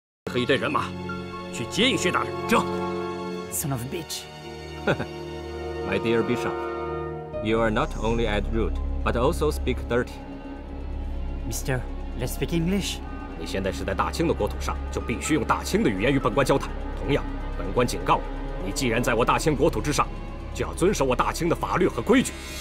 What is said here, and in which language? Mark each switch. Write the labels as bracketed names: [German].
[Chinese] 可以带人马去接应薛大人。这 [English] Son of a bitch. My dear Bishop, you are not only at root, but also speak dirty. Mister, let's speak English. [Chinese] 你现在是在大清的国土上，就必须用大清的语言与本官交谈。同样，本官警告你，既然在我大清国土之上，就要遵守我大清的法律和规矩。